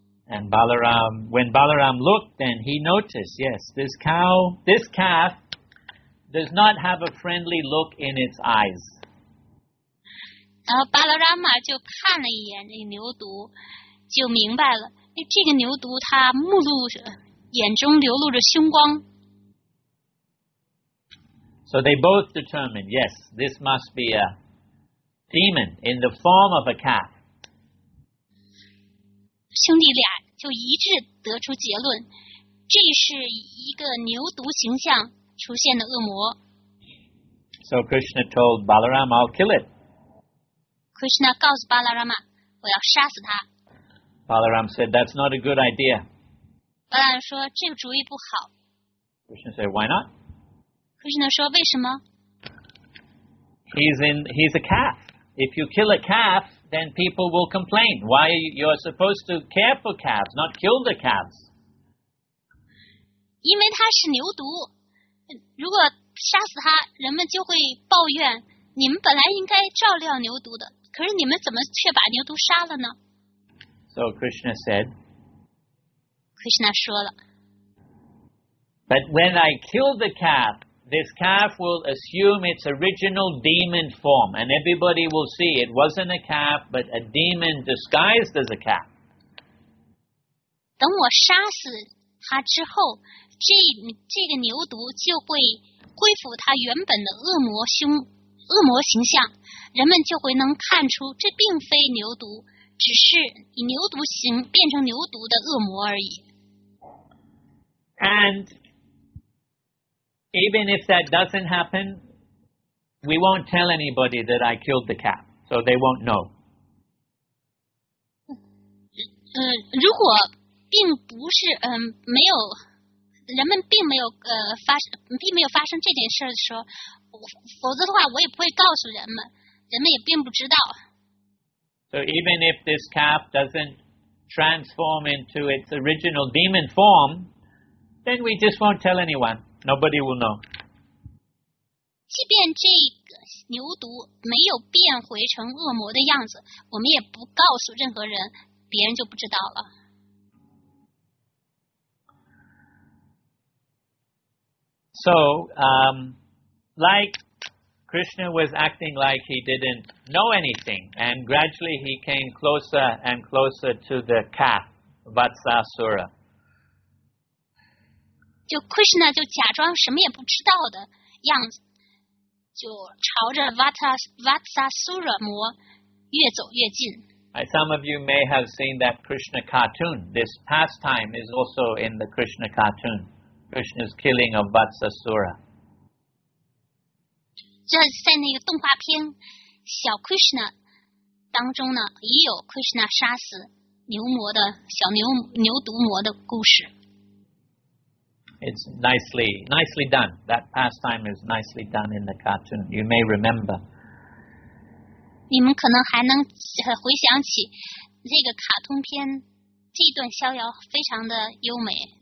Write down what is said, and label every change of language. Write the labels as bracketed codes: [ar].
[en] And Balaram, when Balaram looked, and he noticed, yes, this cow, this calf. Does not have a friendly look in its eyes. [zh] 然后巴拉拉玛就看了一眼那牛犊，就明白了，这个牛犊它目露着，眼中流露着凶光。 [en] So they both determined, yes, this must be a demon in the form of a calf. [zh] 兄弟俩就一致得出结论，这是一个牛犊形象。出现的恶魔。 [en] So Krishna told Balaram, "I'll kill it." [zh] Krishna 告诉巴拉拉玛，我要杀死他。 [en] Balaram said, "That's not a good idea." [zh] 巴拉拉说这个主意不好。 [en] Krishna said, "Why not?" [zh] Krishna 说为什么 [en] He's a calf. If you kill a calf, then people will complain. Why you're supposed to care for calves, not kill the calves? [zh] 因为他是牛犊。如果杀死他，人们就会抱怨，你们本来应该照料牛犊的，可是你们怎么却把牛犊杀了呢？ [en] So Krishna said, [zh] Krishna 说了， [en] But when I kill the calf, this calf will assume its original demon form, and everybody will see it wasn't a calf, but a demon disguised as a calf. [zh] 等我杀死他之后，这个牛犊就会恢复它原本的恶魔形象，人们就会能看出这并非牛犊，只是以牛犊形变成牛犊的恶魔而已。 [en] And even if that doesn't happen, we won't tell anybody that I killed the cat, so they won't know. [zh] 如果并不是没有。人们并没有发生这件事的时候，否则的话，我也不会告诉人们，人们也并不知道。 [en] So even if this calf doesn't transform into its original demon form, then we just won't tell anyone. Nobody will know. [zh] 即便这个牛犊没有变回成恶魔的样子，我们也不告诉任何人，别人就不知道了。 [en] So, like Krishna was acting like he didn't know anything, and gradually he came closer and closer to the calf, Vatsasura. [zh] 就 Krishna 就假装什么也不知道的样子，就朝着 Vatsasura 魔越走越近。 [en] Some of you may have seen that Krishna cartoon. This pastime is also in the Krishna cartoon. Krishna's killing of Vatsasura. [zh] 这在那个动画片《小 Krishna》当中呢，也有 Krishna 杀死牛魔的小牛犊魔的故事。 [en] It's nicely done. That pastime is nicely done in the cartoon. You may remember. [zh] 你们可能还能回想起这个卡通片这段逍遥非常的优美。